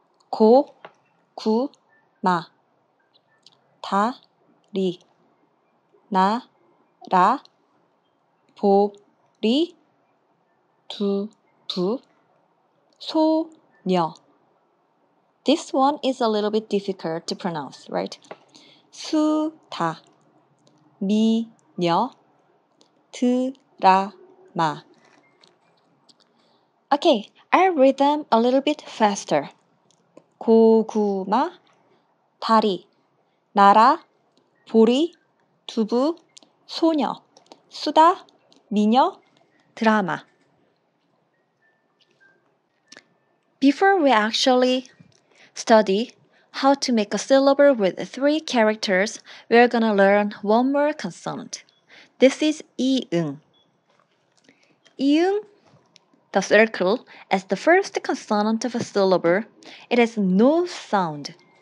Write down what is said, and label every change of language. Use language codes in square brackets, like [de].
[ko] 고, 구, 마, 다, 리, 나, 라, 보리, 두, 부, 소녀. [en] This one is a little bit difficult to pronounce, right? [ko] 수다, 미녀, 드라마. [en] Okay, I'll read them a little bit faster. [ko] 고구마, 다리, 나라, 보리, 두부, 소녀, 수다, 미녀, 드라마. [en] Before we actually study how to make a syllable with 3 characters, we are going to learn one more consonant. This is 이응. 이응, the circle, as the first consonant of a syllable, it has no sound.